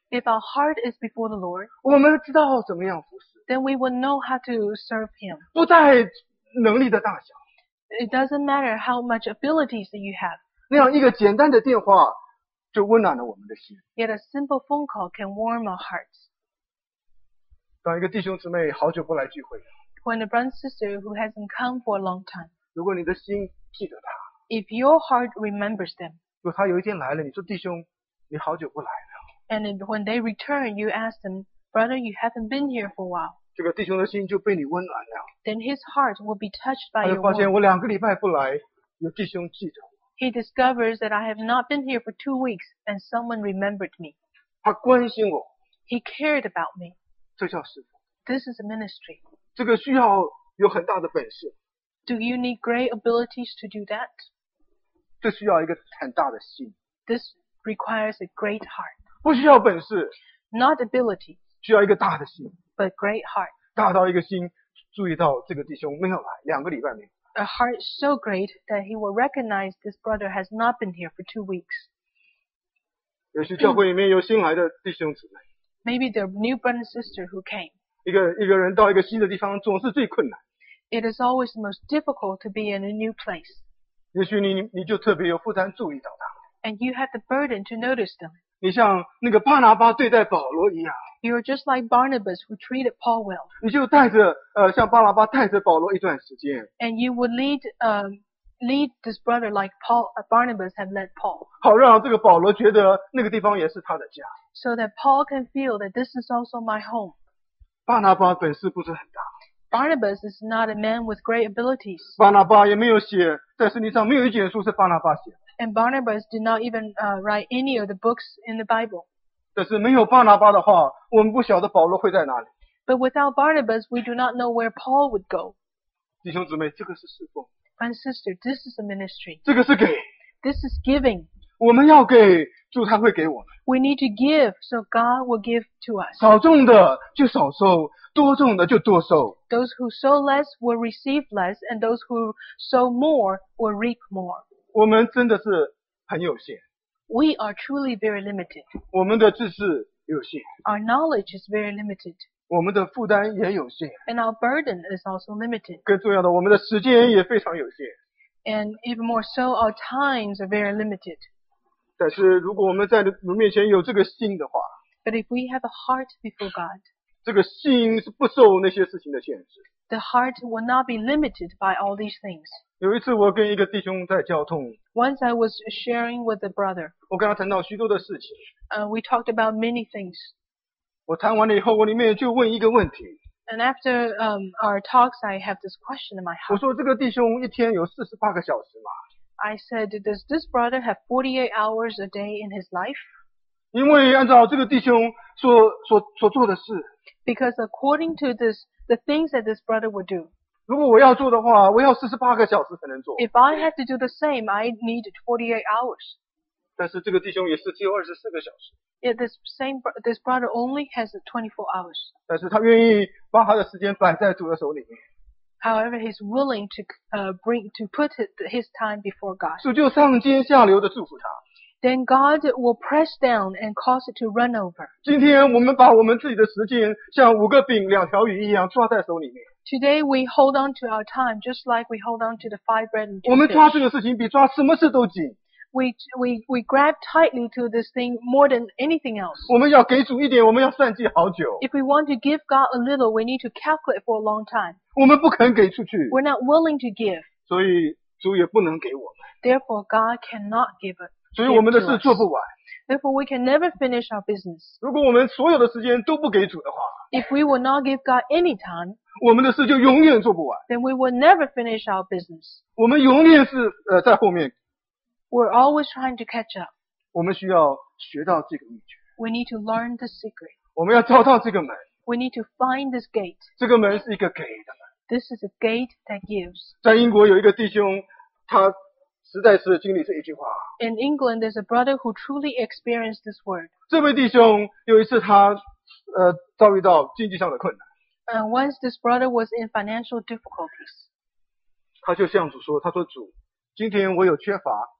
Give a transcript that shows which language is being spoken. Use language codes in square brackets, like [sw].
[en] If our heart is before the Lord, [zh] 我们知道怎么样服事 [en] Then we will know how to serve him. [zh] 不在能力的大小。 [en] It doesn't matter how much abilities that you have. [zh] 那样一个简单的电话就温暖了我们的心。 [en] Yet a simple phone call can warm our hearts. [zh] 当一个弟兄姊妹好久不来聚会了。 [en] When a brother sister who hasn't come for a long time. [zh] 如果你的心记得他。 [en] If your heart remembers them. [zh] 如果他有一天来了，你说弟兄，你好久不来了。 [en] And when they return, you ask them, brother, you haven't been here for a while. [zh] 这个弟兄的心就被你温暖了。 [en] Then his heart will be touched by your warmth. [zh] 他就发现我两个礼拜不来，有弟兄记得。 [en] He discovers that I have not been here for 2 weeks and someone remembered me. [zh] 他关心我。 [en] He cared about me. [zh] 这叫侍奉。 [en] This is a ministry. [zh] 这个需要有很大的本事。 [en] Do you need great abilities to do that? [zh] 这需要一个很大的心。 [en] This requires a great heart. [zh] 不需要本事。 [en] Not ability. [zh] 需要一个大的心。 [en] But great heart. [zh] 大到一个心注意到这个弟兄没有来，两个礼拜没有。 [en] A heart so great that he will recognize this brother has not been here for 2 weeks. [zh] 有些教会里面有新来的弟兄姊妹。 [en] Maybe the new brother and sister who came. [zh] 一个人到一个新的地方总是最困难。 [en] It is always the most difficult to be in a new place. [zh] 也许你就特别有负担注意到他。 [en] And you have the burden to notice them. [zh] 你像那个巴拿巴对待保罗一样。 [en] You are just like Barnabas who treated Paul well. [zh] 你就带着像巴拿巴带着保罗一段时间。 [en] And you would lead this brother like Barnabas had led Paul. [zh] 好让这个保罗觉得那个地方也是他的家。 [en] so that Paul can feel that this is also my home. [zh] 巴拿巴本事不是很大。 [en] Barnabas is not a man with great abilities. [zh] 巴拿巴也没有写，在圣经上没有一卷书是巴拿巴写。 [en] And Barnabas did not even write any of the books in the Bible. [zh] 但是没有巴拿巴的话，我们不晓得保罗会在哪里。 [en] But without Barnabas, we do not know where Paul would go. [zh] 弟兄姊妹，这个是侍奉。 [en] And sister, this is a ministry. [zh] 这个是给。 [en] This is giving. [zh] 我们要给，主他会给我们。 [en] We need to give, so God will give to us. [zh] 少种的就少收，多种的就多收。 [en] Those who sow less will receive less, and those who sow more will reap more. [zh] 我们真的是很有限。 [en] We are truly very limited. [zh] 我们的知识有限。 [en] Our knowledge is very limited. [zh] 我们的负担也有限。 [en] And our burden is also limited. [zh] 更重要的，我们的时间也非常有限。 [en] And even more so, our times are very limited. [zh] 但是如果我们在主面前有这个心的话， [en] But if we have a heart before God, [zh] 这个心是不受那些事情的限制。 [en] The heart will not be limited by all these things. [zh] 有一次我跟一个弟兄在交通。 [en] Once I was sharing with a brother. [zh] 我跟他谈到许多的事情。 [en] We talked about many things. [zh] 我谈完了以后，我里面就问一个问题。 [en] And after our talks, I have this question in my heart. [zh] 我说这个弟兄一天有48个小时吗？ [en] I said, does this brother have 48 hours a day in his life? [zh] 因为按照这个弟兄所做的事。 [en] Because according to this, the things that this brother would do. [zh] 如果我要做的话，我要48个小时才能做。 [en] If I had to do the same, I need 48 hours. [zh] 但是这个弟兄也是只有24个小时。 [en] Yeah, this brother only has 24 hours. [zh] 但是他愿意把他的时间摆在主的手里面。 [en] However, he's willing to put his time before God. [zh] 主就上尖下流的祝福他。 [en] Then God will press down and cause it to run over. [zh] 今天我们把我们自己的时间像五个饼两条鱼一样抓在手里面。 [en] Today we hold on to our time just like we hold on to the five bread and two fish. [zh] 我们抓这个事情比抓什么事都紧。 [en] We grab tightly to this thing more than anything else. [zh] 我们要给主一点，我们要算计好久。 [en] If we want to give God a little, we need to calculate for a long time. [zh] 我们不肯给出去。 [en] We're not willing to give. [zh] 所以主也不能给我们。 [en] Therefore, God cannot give it. [zh] 所以我们的事做不完。 [en] Therefore, we can never finish our business. [zh] 如果我们所有的时间都不给主的话。 [en] If we will not give God any time. [zh] 我们的事就永远做不完。 [en] Then we will never finish our business. [zh] 我们永远是在后面。 [en] We're always trying to catch up. [zh] 我们需要学到这个秘诀。 [en] We need to learn the secret. [zh] 我们要找到这个门。 [en] We need to find this gate. [zh] 这个门是一个给的门。 [en] This is a gate that gives. [zh] 在英国有一个弟兄，他实在是经历这一句话。 [en] In England, there's a brother who truly experienced this word. [zh] 这位弟兄有一次他遭遇到经济上的困难。 [en] Once this brother was in financial difficulties. [zh] 他就向主说，他说主，今天我有缺乏。